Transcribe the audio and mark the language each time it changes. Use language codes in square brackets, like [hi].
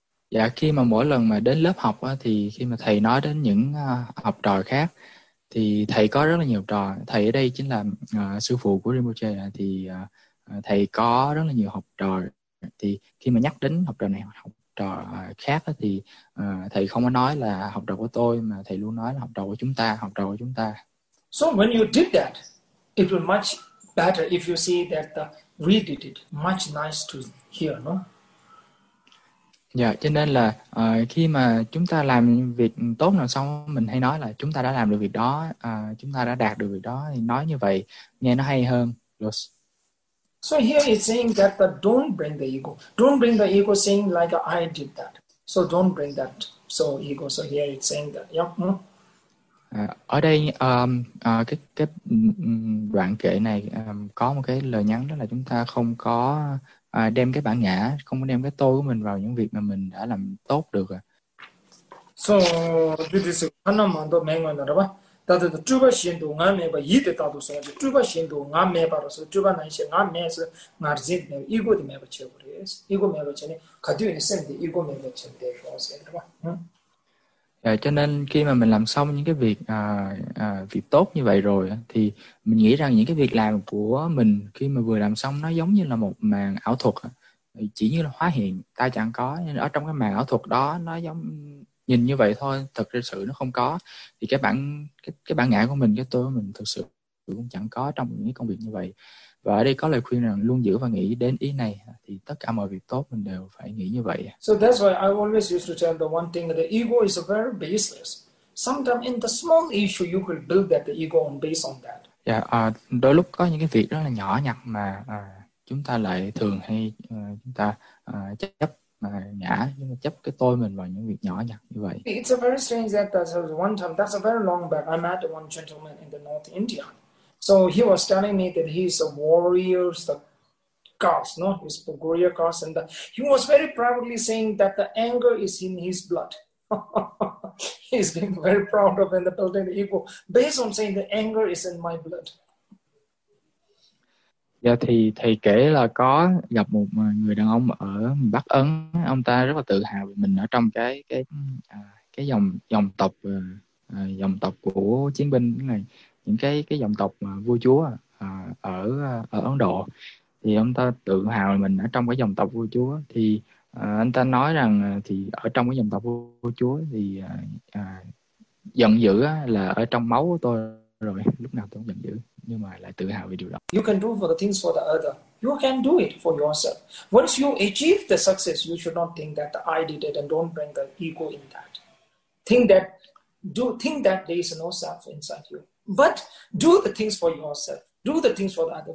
[vi] Dạ, khi mà mỗi lần mà đến lớp học á, thì khi mà thầy nói đến những học trò khác, thì thầy có rất là nhiều học trò. Thầy ở đây chính là sư phụ của Rinpoche, thì thầy có rất là nhiều học trò. Thì khi mà nhắc đến học trò này, học trò khác á, thì thầy không có nói là học trò của tôi, mà thầy luôn nói là học trò của chúng ta, học trò của chúng ta. [en] So when you did that, it was much better if you see that we did it. Much nice to hear, no? [vi] Dạ, cho nên là khi mà chúng ta làm việc tốt nào xong, mình hay nói là chúng ta đã làm được việc đó, chúng ta đã đạt được việc đó, thì nói như vậy nghe nó hay hơn. [en] Plus. So here it's saying that don't bring the ego. Don't bring the ego saying like I did that. So don't bring that so ego. So here it's saying that. Yeah. Hmm? [vi] Ở đây cái đoạn kệ này có một cái lời nhắn, đó là chúng ta không có đem cái bản ngã, không có đem cái tôi của mình vào những việc mà mình đã làm tốt được. So this is Khanna Mando Mengo Naraba. tato to tuba shindo nga meba yite tato so nga tuba shindo nga meba so tuba na ishe nga me so nga rzit me ego di meba che gore es ego meba che ne kadyo ni sen di ego meba che de so se ba À, cho nên khi mà mình làm xong những cái việc việc tốt như vậy rồi thì mình nghĩ rằng những cái việc làm của mình khi mà vừa làm xong nó giống như là một màn ảo thuật, chỉ như là hóa hiện, ta chẳng có, nên ở trong cái màn ảo thuật đó nó giống nhìn như vậy thôi, thực ra sự nó không có. Thì cái bản ngã của mình, cái tôi của mình thực sự cũng chẳng có trong những cái công việc như vậy. Và ở đây có lời khuyên rằng luôn giữ và nghĩ đến ý này, thì tất cả mọi việc tốt mình đều phải nghĩ như vậy. [en] So that's why I always used to tell the one thing that the ego is very baseless. Sometimes in the small issue, you could build that the ego on based on that. [vi] Đôi lúc có những cái việc rất là nhỏ nhặt mà chúng ta lại thường hay chúng ta chấp ngã, chúng ta chấp cái tôi mình vào những việc nhỏ nhặt như vậy. [en] It's a very strange that that was one time, that's a very long back, I met one gentleman in the North India. So he was telling me that he's a warrior, the caste, no? He's a Gorilla caste, and he was very proudly saying that the anger is in his blood. He's being very proud of in the building the ego, based on saying the anger is in my blood. [vi] Dạ thì thầy kể là có gặp một người đàn ông ở Bắc Ấn, ông ta rất là tự hào vì mình ở trong cái dòng dòng tộc dòng tộc của chiến binh này, những cái dòng tộc vua chúa ở ở Ấn Độ. Thì ông ta tự hào mình ở trong cái dòng tộc vua chúa. Thì anh ta nói rằng thì ở trong cái dòng tộc vua chúa thì giận dữ là ở trong máu của tôi rồi, lúc nào tôi cũng giận dữ nhưng mà lại tự hào về điều đó. [en] You can do for the things for the other. You can do it for yourself. Once you achieve the success, you should not think that I did it, and don't bring the ego in that. Think that there is no self inside you. But do the things for yourself. Do the things for the other.